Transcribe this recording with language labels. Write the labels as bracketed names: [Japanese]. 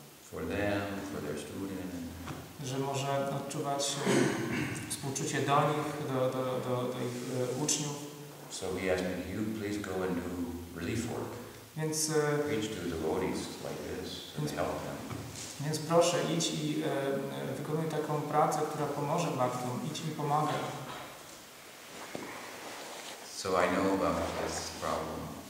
[English] For them, for their student, [Polish] że może odczuwać współczucie do nich, do ich uczniów. [English] So he asked me, do you please go and do relief work? [Polish] Więc, [English] preach to the devotees like this and help them. [Polish] Więc proszę, idź i wykonuj taką pracę, która pomoże bhaktom. Idź mi pomagaj. [English] So I know about this problem.